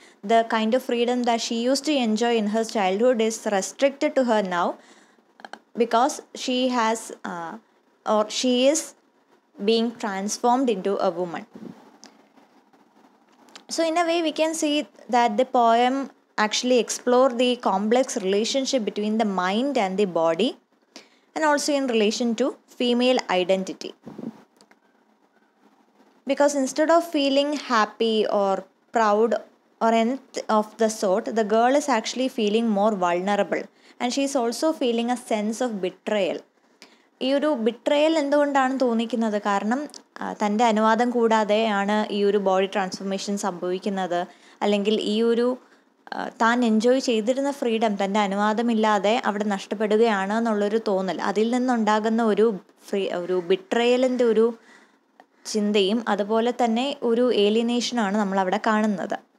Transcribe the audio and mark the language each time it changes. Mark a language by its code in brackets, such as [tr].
[en] The kind of freedom that she use to enjoy in her childhood is restricted to her now because she has or she is being transformed into a woman. So in a way we can see that the poem actually explore the complex relationship between the mind and the body and also in relation to female identity. Because instead of feeling happy or proud or anything of the sort, the girl is actually feeling more vulnerable and she is also feeling a sense of betrayal. [ml] ഈ ഒരു betrayal എന്തുകൊണ്ടാണ് തോന്നിക്കുന്നത്? കാരണം തൻ്റെ അനുവാദം കൂടാതെയാണ് ഈ ഒരു body transformation സംഭവിക്കുന്നത്, അല്ലെങ്കിൽ ഈ ഒരു താൻ എൻജോയ് ചെയ്തിരുന്ന ഫ്രീഡം തൻ്റെ അനുവാദമില്ലാതെ അവിടെ നഷ്ടപ്പെടുകയാണ് എന്നുള്ളൊരു തോന്നൽ, അതിൽ നിന്നുണ്ടാകുന്ന ഒരു ഒരു ബിട്രയലിൻ്റെ ഒരു ചിന്തയും അതുപോലെ തന്നെ ഒരു ഏലിയനേഷനാണ് നമ്മളവിടെ കാണുന്നത്.